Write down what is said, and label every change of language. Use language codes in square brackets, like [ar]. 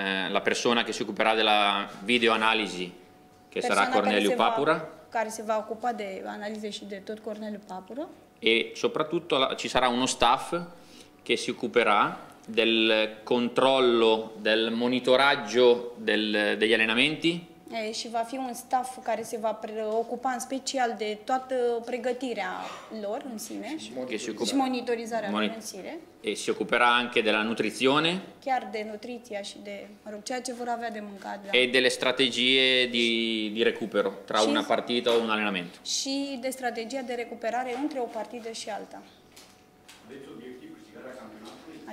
[it] La persona che si occuperà della videoanalisi, che sarà Corneliu Papura. [ro] Care se va occupa de analize și de tot Corneliu Papura. [it] E soprattutto ci sarà uno staff che si occuperà del controllo, del monitoraggio degli allenamenti. [ro] Și va fi un staff care se va ocupa în special de toată pregătirea lor în sine și monitorizarea lor în sine. [it] E si occuperà anche della nutrizione. [ro] Chiar de nutriția și de, mă rog, ceea ce vor avea de mâncat. [it] E delle strategie di recupero tra una partita o un allenamento. [ro] Și de strategia de recuperare între o partidă și alta. Aveți obiectiv câștigarea campionatului?